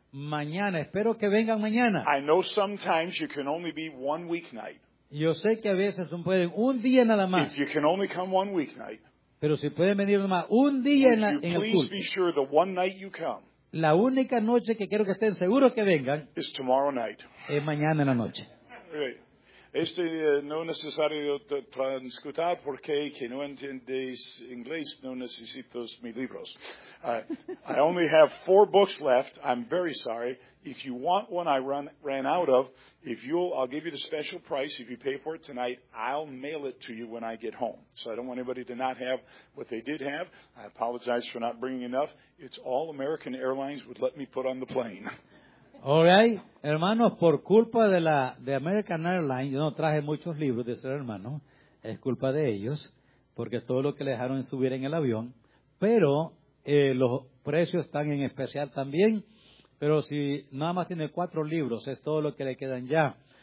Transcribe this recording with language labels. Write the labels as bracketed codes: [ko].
[es] Mañana, espero que vengan mañana. [en] I know sometimes you can only be one week night. [es] Yo sé que a veces pueden un día nada más. [en] If you can only come one week night. [es] Pero si pueden venir nomás un día en el culto. [en] Please be sure the one night you come. [es] La única noche que quiero que estén seguros que vengan. [en] Is tomorrow night. [es] Es mañana en la noche. Este no es necesario transcutar porque que no entiendes inglés, no necesito mis libros. [en] I only have 4 books left. I'm very sorry. If you want one, I ran out of. I'll give you the special price. If you pay for it tonight, I'll mail it to you when I get home. So I don't want anybody to not have what they did have. I apologize for not bringing enough. It's all American Airlines would let me put on the plane. All right. [es] Hermanos, por culpa de la de American Airlines, yo no traje muchos libros de ser hermano. Es culpa de ellos, porque todo lo que le dejaron subir en el avión. Pero los precios están en especial también. Pero si nada más tiene 4 libros, es todo lo que le quedan ya.